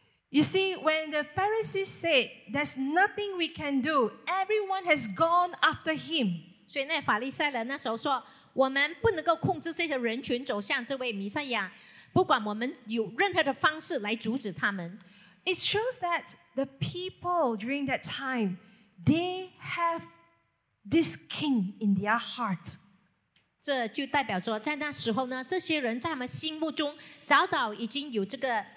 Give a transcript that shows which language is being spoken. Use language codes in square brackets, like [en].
[en] You see, when the Pharisees said, there's nothing we can do, everyone has gone after him. [zh] 所以那法利赛人那时候说，我们不能够控制这些人群走向这位弥赛亚，不管我们有任何的方式来阻止他们。 [en] It shows that the people during that time, they have this king in their heart. [zh] 这就代表说，在那时候呢，这些人在他们心目中早早已经有这个